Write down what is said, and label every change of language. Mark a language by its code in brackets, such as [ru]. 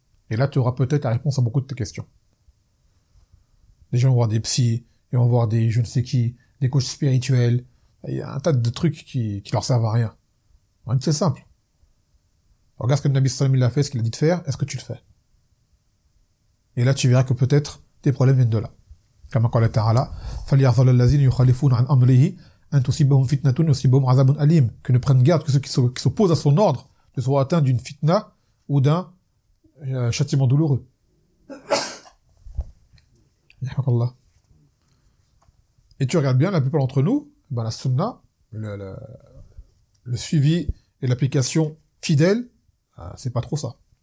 [fr] Et là, tu auras peut-être la réponse à beaucoup de tes questions. Les gens vont voir des psys, ils vont voir des je ne sais qui, des coachs spirituels. Il y a un tas de trucs qui leur servent à rien. C'est simple. Regarde ce que le Nabi Sallam a fait, ce qu'il a dit de faire, est-ce que tu le fais? Et là, tu verras que peut-être tes problèmes viennent de là. Comme encore le Ta'ala, [ar] فَلْيَعْظَلَ الَّذِينَ يُخَلِفُونَ عَنْ أَمْرِهِ أَنْ تُصِبَهُمْ فِتْنَةٌ وَيُصِبَهُمْ عَذَابٌ أَلِيمٌ. [fr] Que ne prennent garde que ceux qui s'opposent à son ordre ne soient atteints d'une fitna ou d'un châtiment douloureux. Et tu regardes bien, la plupart d'entre nous, ben la sunna, le suivi et l'application fidèle, c'est pas trop ça.